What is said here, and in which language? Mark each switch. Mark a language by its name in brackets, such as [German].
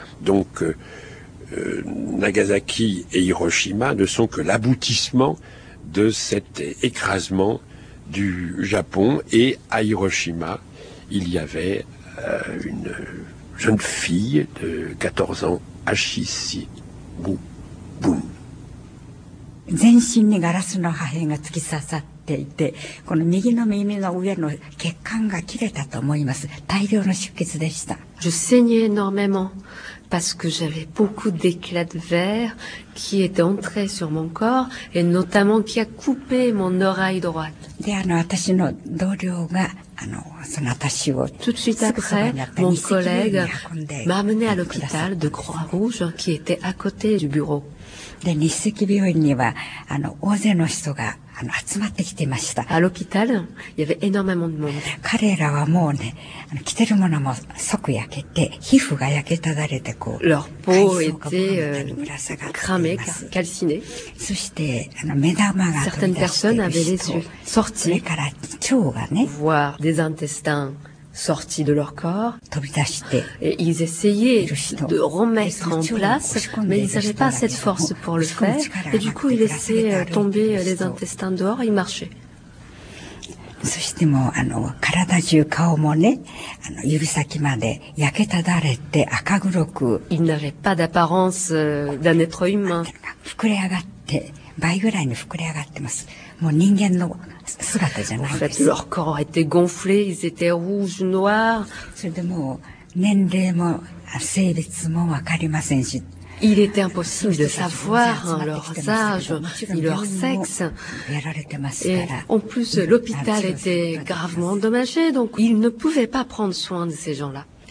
[French] Donc Nagasaki et Hiroshima ne sont que l'aboutissement de cet écrasement du Japon. Et à Hiroshima, il y avait une jeune fille de 14 ans, Ashishi Boum. [Japanese] 全身にガラスの破片が突き刺さっていて、この右の耳の上の血管が切れたと思います。大量の出血でした。 [French] Je saignais énormément parce que j'avais beaucoup d'éclats de verre qui étaient entrés sur mon corps et notamment qui a coupé mon oreille droite. [Japanese] で、私の同僚が、その私を、 [French] Tout de suite après, mon collègue m'a amené à l'hôpital de Croix-Rouge qui était à côté du bureau. [Japanese] で、日赤病院には、大勢の人が、集まってきていました。 [French] À l'hôpital, il y avait énormément de monde. [Japanese] 彼らはもうね、着てるものも即焼けて、皮膚が焼けただれて、こう、 [French] Leur peau était, cramée, calcinée. [Japanese] そして、目玉が飛び出している人、 [French] Certaines personnes avaient les yeux sortis. [Japanese] それから、腸がね、 [French] voir des intestins. Sortis de leur corps, et ils essayaient de remettre en place, mais ils n'avaient pas cette force pour le faire, et du coup ils laissaient tomber les intestins dehors et marcher. [Japanese] そしてもう体中顔もね指先まで焼けただれて赤黒く [French] Il n'avait pas d'apparence d'un être humain [Japanese] 膨れ上がって倍ぐらいに膨れ上がってますもう人間の姿じゃないです [French] En fait, leur corps était gonflé, ils étaient rouges, noirs [Japanese] それでもう年齢も性別もわかりませんし [French] Il était impossible de savoir leur âge ni leur sexe. Et en plus, l'hôpital était gravement endommagé, donc ils ne pouvaient pas prendre soin de ces gens-là.